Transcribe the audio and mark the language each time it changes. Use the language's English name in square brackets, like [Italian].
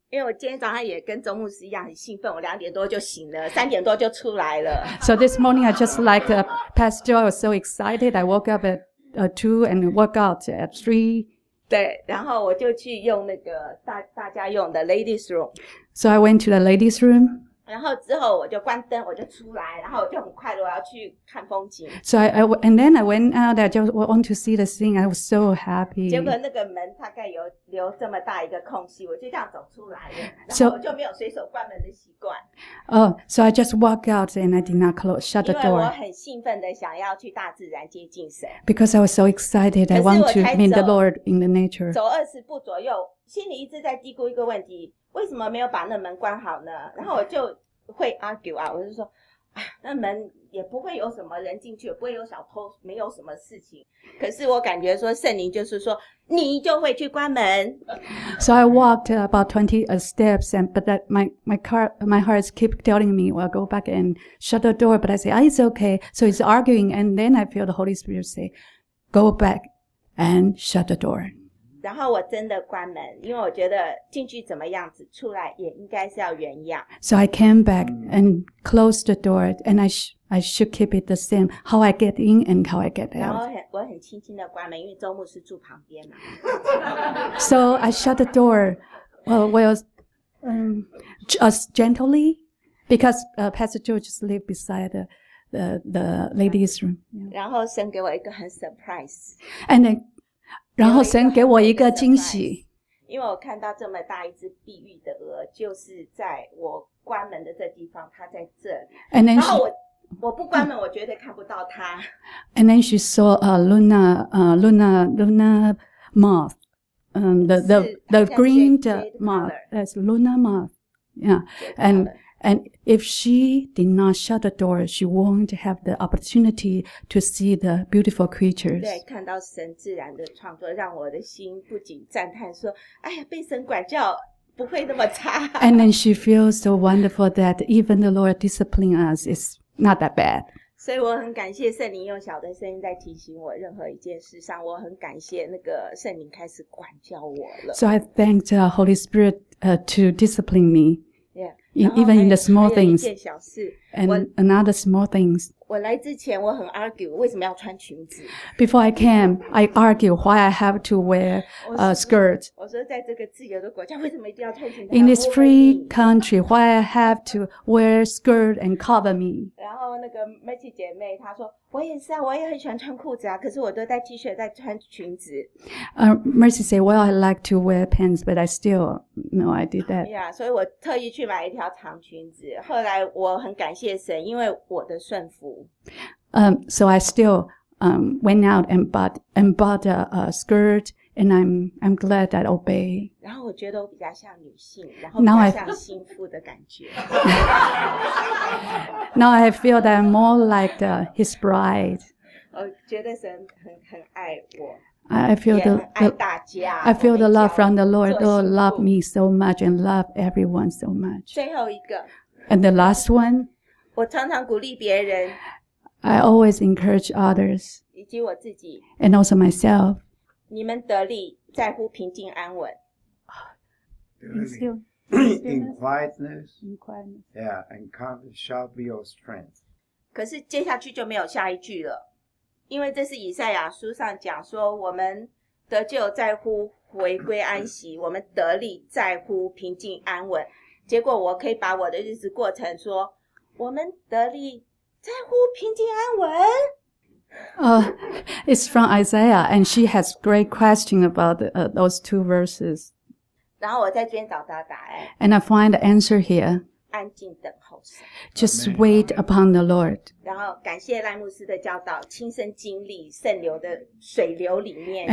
[Chinese] 因为我今天早上也跟周牧师一样很兴奋，我两点多就醒了，三点多就出来了。 [English] So this morning, I just like, Pastor, I was so excited. I woke up at, 2 and woke out at 3. [Chinese] 对，然后我就去用那个大家用的 ladies room. [English] So I went to the ladies room. [Chinese] 然后之后我就关灯，我就出来，然后我就很快乐，我要去看风景。 [English] So I went out. I just want to see the scene. I was so happy. [Chinese] 结果那个门大概有留这么大一个空隙，我就这样走出来了。 So, 然后我就没有随手关门的习惯。 [English] So I just walk out and I did not close shut the door. [Chinese] 因为我很兴奋的想要去大自然接近神。 [English] Because I was so excited, I want to meet the Lord in the nature. [Chinese] 走二十步左右，心里一直在嘀咕一个问题。为什么没有把那门关好呢？然后我就会 argue 啊，我就说，那门也不会有什么人进去，也不会有小偷，没有什么事情。可是我感觉说，圣灵就是说，你就会去关门。 [English] So I walked about 20 steps, and but that my heart keep telling me, well, go back and shut the door. But I say, it's okay. So it's arguing, and then I feel the Holy Spirit say, go back and shut the door. [Chinese] 然后我真的关门，因为我觉得进去怎么样子，出来也应该是要原样。 [English] So I came back and closed the door, and I should keep it the same. How I get in and how I get out. [Chinese] 然后我很轻轻的关门，因为周牧师住旁边嘛。 [English] So I shut the door, just gently, because Pastor Joe just lived beside the ladies' room. [Chinese] 然后神给我一个很 surprise. [English] And then. [Chinese] 然后神给我一个惊喜，因为我看到这么大一只碧玉的鹅，就是在我关门的这地方，它在这里。 [English] And then [Chinese] 然后我不关门，我绝对看不到它。 [English] And then she saw Luna moth, the green moth, that's Luna moth, yeah, and And if she did not shut the door, she won't have the opportunity to see the beautiful creatures. [Chinese] 对，看到神自然的创作，让我的心不禁赞叹说，哎呀，被神管教不会那么差。 [English] And then she feels so wonderful that even the Lord discipline us is not that bad. [Chinese] 所以我很感谢圣灵用小的声音在提醒我任何一件事上，我很感谢那个圣灵开始管教我了。 [English] So I thank the Holy Spirit, to discipline me. Even in the small things. And another small things. [Chinese] 我来之前我很 argue 为什么要穿裙子。 [English] Before I came, I argue why I have to wear a skirt. [Chinese] 我说在这个自由的国家为什么一定要穿裙子。 [English] In this free country, why I have to wear a skirt and cover me. [Chinese] 然后那个 Matty 姐妹她说我也是啊我也很喜欢穿裤子啊可是我都带 T-shirt 带穿裙子。 [English] Mercy say, well, I like to wear pants, but I still, no, I did that. [Chinese] Yeah, 所以我特意去买一条长裙子。后来我很感谢神因为我的顺服。 [English] So I still, went out and bought a, skirt, and I'm glad that I obey. [Chinese] 然后我觉得我比较像女性，然后比较像心腹的感觉。 [English] Now I feel that I'm more like the, his bride. [Chinese] 我觉得神很爱我。 [English] I feel the love from the Lord. The Lord loved me so much and loved everyone so much. [Chinese] 最后一个。 [English] And the last one. [Chinese] 我常常鼓励别人。 [English] I always encourage others. [Chinese] 以及我自己。 [English] And also myself. [Chinese] 你们得力在乎平静安稳。 [English] In quietness. In quietness. Yeah, and confidence shall be your strength. [Chinese] 可是接下去就没有下一句了。因为这是以赛亚书上讲说我们得救在乎回归安息我们得力在乎平静安稳。结果我可以把我的日子过成说我们得力在乎平静安稳。 [English] It's from Isaiah, and she has great question about those two verses. [Chinese] 然后我在这边找到答案。 [English] And I find the answer here. [Chinese] 安静等候神。 [English] Just wait upon the Lord. [Chinese] 然后感谢赖牧师的教导，亲身经历圣流的水流里面，